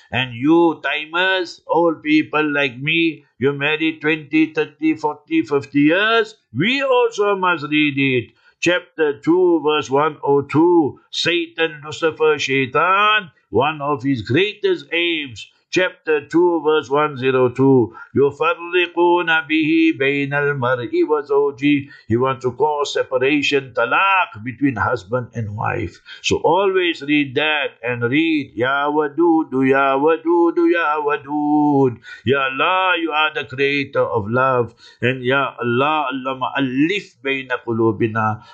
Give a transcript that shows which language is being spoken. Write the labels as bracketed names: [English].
[English] And you timers, old people like me, you married 20, 30, 40, 50 years, we also must read it. Chapter 2, verse 102, Satan, Lucifer, Shaitan, one of his greatest aims. Chapter 2, verse 102, [Arabic] يُفَرِّقُونَ بِهِ بَيْنَ الْمَرْءِ وَزَوْجِهِ. [English] He wants to cause separation, talaq, between husband and wife. So always read that and read, Ya Wadudu, Ya Wadudu, Ya Wadud. Ya Allah, you are the creator of love. And Ya Allah, Allama Alif [Arabic] بَيْنَ قُلُوبِنَا.